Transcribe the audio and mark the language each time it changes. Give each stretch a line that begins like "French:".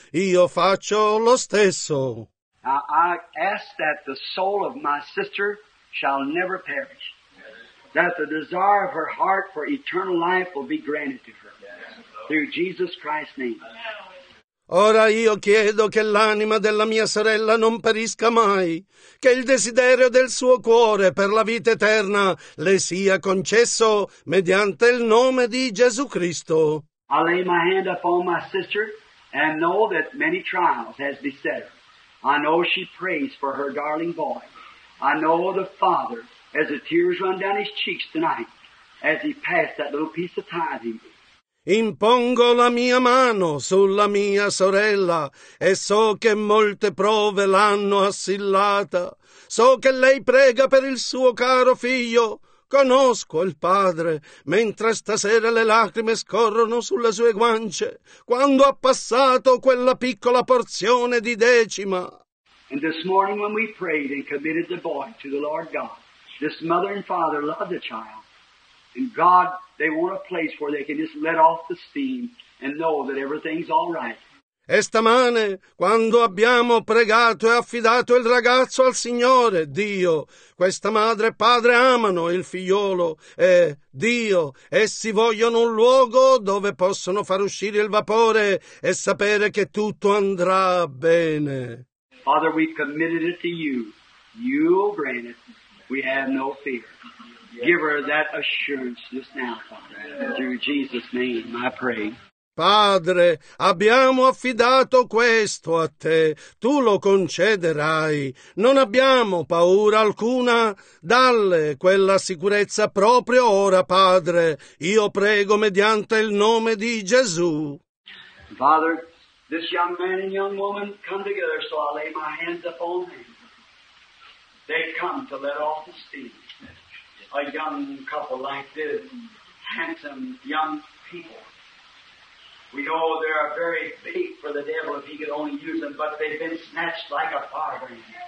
Italian: Io faccio lo stesso.
English: Now I ask that the soul of my sister shall never perish, that the desire of her heart for eternal life will be granted to her. Through Jesus Christ's name.
Italian: Ora io chiedo che l'anima della mia sorella non perisca mai, che il desiderio del suo cuore per la vita eterna le sia concesso mediante il nome di Gesù Cristo.
English: I lay my hand upon my sister and know that many trials has beset her. I know she prays for her darling boy. I know the father, as the tears run down his cheeks tonight, as he passed that little piece of tithing.
Italian: Impongo la mia mano sulla mia sorella e so che molte prove l'hanno assillata. So che lei prega per il suo caro figlio. Conosco il padre, mentre stasera le lacrime scorrono sulle sue guance, quando ha passato quella piccola porzione di decima.
English: And this morning when we prayed and committed the boy to the Lord God, this mother and father loved the child. And God, they want a place where they can just let off the steam and know that everything's all right.
Italian: E stamane, quando abbiamo pregato e affidato il ragazzo al Signore, Dio, questa madre e padre amano il figliolo e, Dio, essi vogliono un luogo dove possono far uscire il vapore e sapere che tutto andrà bene.
English: Father, we've committed it to you. You'll grant it. We have no fear. Give her that assurance just now, Father, through Jesus' name, I pray.
Italian: Padre, abbiamo affidato questo a te. Tu lo concederai. Non abbiamo paura alcuna. Dalle quella sicurezza proprio ora, Padre. Io prego mediante il nome di Gesù.
English: Father, this young man and young woman come together, so I lay my hands upon them. They come to let off the steam. A young couple like this, handsome young people. We know they are very big for the devil if he could only use them, but they've been snatched like a firebrand.